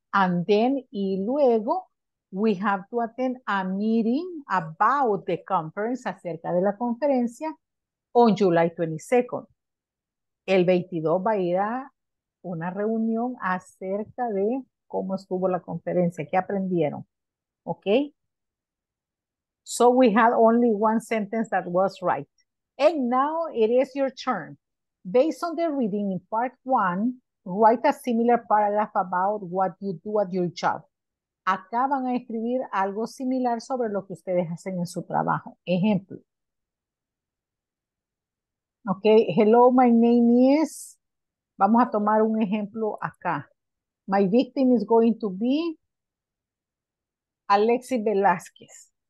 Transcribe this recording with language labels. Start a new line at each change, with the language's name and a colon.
English: And then,
Spanish: y luego,
English: we have to attend a meeting about the conference,
Spanish: acerca de la conferencia,
English: on July 22nd.
Spanish: El 22 va a ir a una reunión acerca de cómo estuvo la conferencia, qué aprendieron. ¿Ok?
English: So we had only one sentence that was right. And now it is your turn. Based on the reading in part one, write a similar paragraph about what you do at your job.
Spanish: Acá van a escribir algo similar sobre lo que ustedes hacen en su trabajo. Ejemplo. Ok,
English: hello, my name is.
Spanish: Vamos a tomar un ejemplo acá.
English: My victim is going to be Alexis Velázquez.